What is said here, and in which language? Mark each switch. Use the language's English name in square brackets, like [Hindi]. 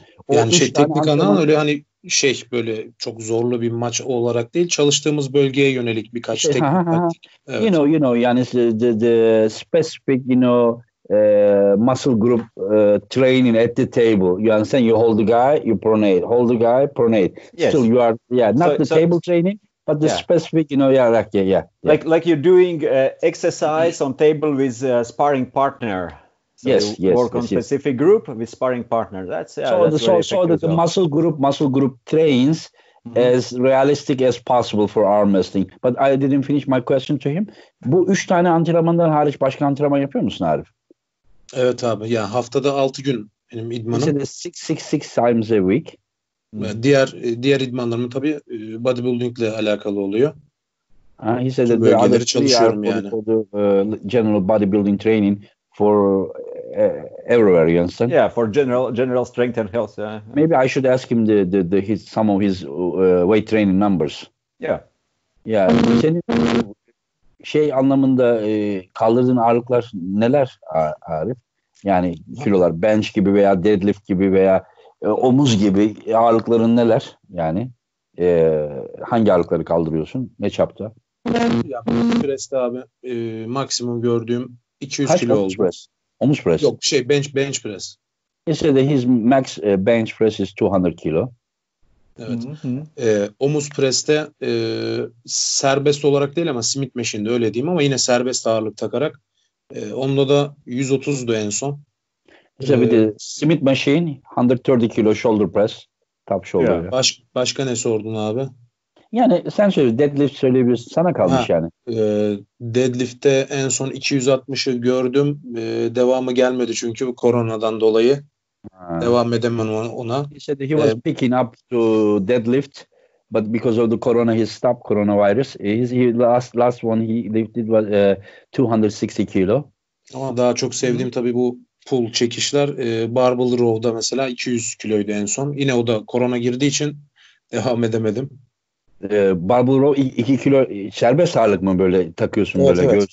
[Turkish] Yani şey teknik anlamda öyle hani şey böyle çok zorlu bir maç olarak değil. Çalıştığımız bölgeye yönelik birkaç teknik. Evet. [English] You know [Turkish] yani [English] the specific you know muscle group training at the table. You understand? You hold the guy, you pronate. Hold the guy, pronate. Yes. So you are, yeah, not so, the so table training, but the specific, you know, yeah, like, yeah, yeah. Like you're doing exercise on table with a sparring partner. So you work on specific group with sparring partner. So the muscle group trains as realistic as possible for arm wrestling. But I didn't finish my question to him. [Turkish] Bu üç tane antrenmandan hariç başka antrenman yapıyor musun Arif? Evet abi. Yani haftada 6 gün benim idmanım. [English] 6 times a week. [Turkish] Diğer idmanlarım tabii bodybuilding ile alakalı oluyor. [English] He said that [Turkish] bölgeleri [English] the [Turkish] çalışıyorum yani. [English] For the general bodybuilding training for everywhere, you understand? Yeah, for general strength and health. Yeah. Maybe I should ask him some of his weight training numbers. Yeah. Yeah. [Turkish] Senin şey anlamında kaldırdığın ağırlıklar neler Arif? Yani kilolar bench gibi veya deadlift gibi veya omuz gibi ağırlıkların neler? Yani hangi ağırlıkları kaldırıyorsun? Ne çapta? Ya press'te abi maksimum gördüğüm 200 kaç kilo omuz oldu. Press? Omuz press. Yok şey bench press. [English] He said that his max bench press is 200 kilo. [Turkish] Evet. Omuz preste serbest olarak değil ama Smith Machine'de öyle diyeyim ama yine serbest ağırlık takarak onda da 130'du en son. [English] Smith Machine 130 kilo shoulder press top shoulder. Yeah. [Turkish] Başka ne sordun abi? Yani sen söyle deadlift söyleyebilirsin. Sana kalmış yani. Deadlift'te en son 260'ı gördüm. Devamı gelmedi çünkü koronadan dolayı. Devam edemem ona. [English] He said he was picking up to deadlift, but because of the corona, he stopped coronavirus. His last one he lifted was 260 kilo. [Turkish] Ama daha çok sevdiğim tabii bu pull çekişler. Barbell row'da mesela 200 kiloydu en son. Yine o da korona girdiği için devam edemedim. Barbell row 2 kilo serbest ağırlık mı böyle takıyorsun? Evet, böyle evet.